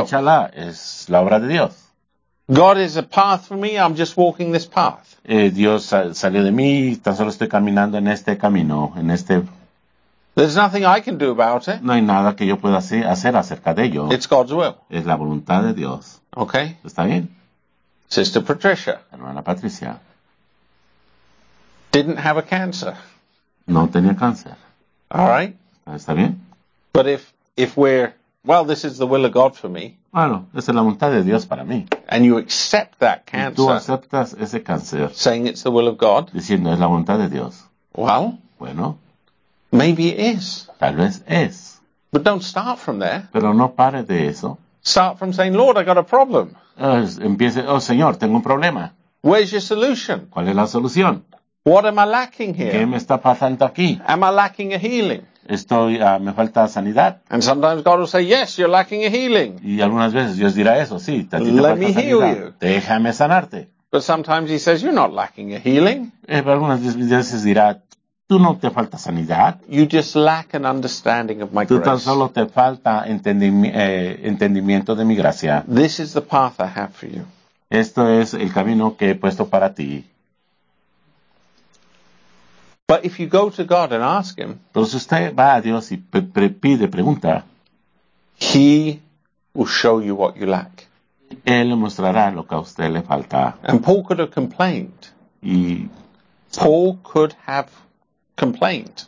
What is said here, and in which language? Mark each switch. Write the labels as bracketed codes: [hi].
[es] Inshallah, es la obra de Dios. [en] God is a path for me, I'm just walking this path. [es] Dios salió de mí, tan solo estoy caminando en este camino, en este. [en] There's nothing I can do about it. [es] No hay nada que yo pueda hacer acerca de ello. [en] It's God's will. [es] Es la voluntad de Dios. [en] Okay. [es] ¿Está bien? [en] Sister Patricia. [es] Hermana Patricia. [en] Didn't have a cancer. [es] No tenía cáncer. [en] All right. [es] Está bien. [en] But if we're, well, this is the will of God for me. [es] Bueno, esa es la voluntad de Dios para mí. [en] And you accept that cancer. [es] Y tú aceptas ese cáncer. [en] Saying it's the will of God. [es] Diciendo es la voluntad de Dios. [en] Well. [es] Bueno. [en] Maybe it is. [es] Tal vez es. [en] But don't start from there. [es] Pero no pare de eso. [en] Start from saying, Lord, I got a problem. [es] Empiece, oh Señor, tengo un problema. [en] Where's your solution? [es] ¿Cuál es la solución? [en] What am I lacking here? [es] ¿Qué me está pasando aquí? [en] Am I lacking a healing? [es] Estoy, me falta sanidad. [en] And sometimes God will say, yes, you're lacking a healing. [es] Y algunas veces Dios dirá eso, sí, a ti te falta sanidad. [en] Let me heal you. [es] Déjame sanarte. [en] But sometimes he says, you're not lacking a healing. [es] Pero algunas veces dirá, tú no te falta sanidad. [en] You just lack an understanding of my grace. [es] Tú tan solo te falta entendimiento de mi gracia. [en] This is the path I have for you. [es] Esto es el camino que he puesto para ti. [en] But if you go to God and ask him, [es] pero si usted va a Dios y pide pregunta, [en] he will show you what you lack. [es] Él le mostrará lo que a usted le falta. [en] And Paul could have complained. [es] Y [en] Paul could have complained.